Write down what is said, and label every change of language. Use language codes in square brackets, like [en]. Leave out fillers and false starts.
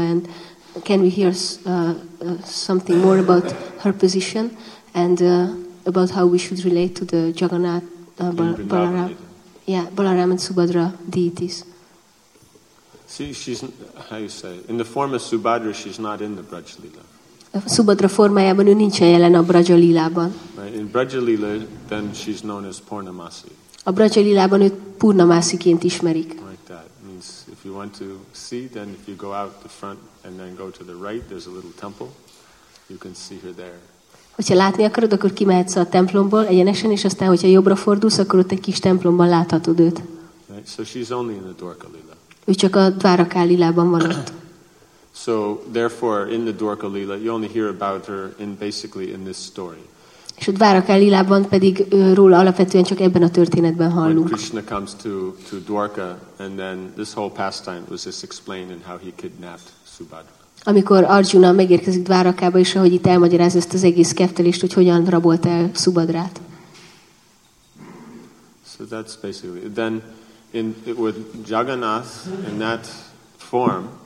[en] And can we hear something more about her position and about how we should relate to the Jagannath Balaram and Subhadra deities? See, she's, how you say, in the form of Subhadra, she's not in the Braj Lila. [hu] Subhadra formájában ő nincsen jelen a Braja Lilában. [en] In Braja Lila, then she's known as Purnamasi. [hu] A Braja Lilában őt Purnamasiként ismerik. [en] Like that means if you want to see, then if you go out the front and then go to the right, there's a little temple. You can see her there. [hu] Hogyha látni akarod, akkor kimehetsz a templomból egyenesen, és aztán, hogyha jobbra fordulsz, akkor ott egy kis templomban láthatod őt. [en] Right. So she's only in the Dwarka Lila. [hu] Ő csak a Dvaraka Lilában van ott. [en] So therefore in the Dwarka Lila you only hear about her in basically in this story. [hu] És a Dvaraka Lilában pedig róla alapvetően csak ebben a történetben hallunk. [en] When Krishna comes to Dwarka, and then this whole pastime was just explained in how he kidnapped Subhadra. [hu] Amikor Arjuna megérkezik Dvárakába, és ahogy itt elmagyaráz ezt az egész keftelést, hogy hogyan rabolt el Subhadrát. [en] So that's basically then in it with Jagannath in that form.